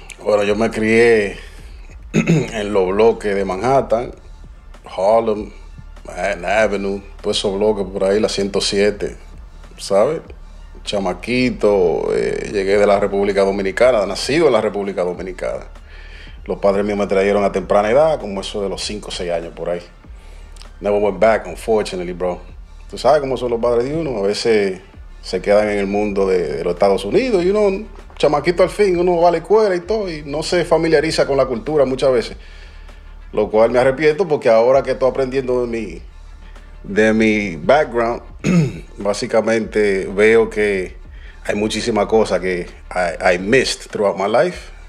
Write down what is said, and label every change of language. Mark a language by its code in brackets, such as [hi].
[es] Bueno, yo me crié en los bloques de Manhattan, Harlem, Manhattan Avenue, todos esos bloques por ahí, la 107, ¿sabes? Chamaquito, llegué de la República Dominicana, nacido en la República Dominicana. Los padres míos me trajeron a temprana edad, como eso de los 5 o 6 años por ahí. [en] Never went back, unfortunately, bro. [es] Tú sabes cómo son los padres de uno, a veces se quedan en el mundo de los Estados Unidos y uno, chamaquito al fin, uno va a la escuela y todo, y no se familiariza con la cultura muchas veces. Lo cual me arrepiento porque ahora que estoy aprendiendo de mi background, básicamente veo que hay muchísima cosa que [en] I missed throughout my life.